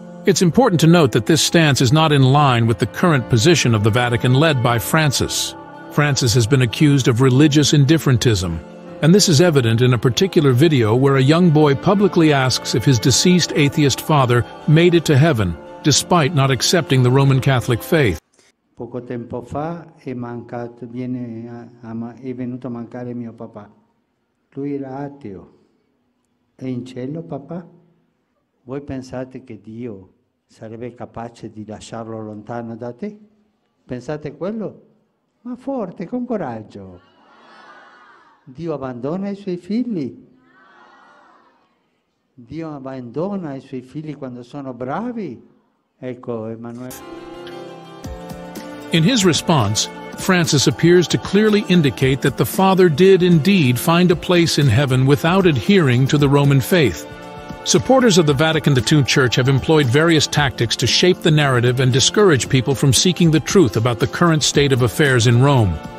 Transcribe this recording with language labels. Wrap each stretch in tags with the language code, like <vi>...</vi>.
<en>It's important to note that this stance is not in line with the current position of the Vatican led by Francis. Francis has been accused of religious indifferentism. And this is evident in a particular video where a young boy publicly asks if his deceased atheist father made it to heaven, despite not accepting the Roman Catholic faith.</en> <it>Poco tempo fa è venuto a mancare mio papà. Lui era ateo. È in cielo, papà? Voi pensate che Dio sarebbe capace di lasciarlo lontano da te? Pensate quello? Ma forte, con coraggio. Dio abbandona i suoi figli? Dio abbandona i suoi figli quando sono bravi? Ecco, Emanuele.</it> <en>In his response, Francis appears to clearly indicate that the father did indeed find a place in heaven without adhering to the Roman faith. Supporters of the Vatican II Church have employed various tactics to shape the narrative and discourage people from seeking the truth about the current state of affairs in Rome.</en>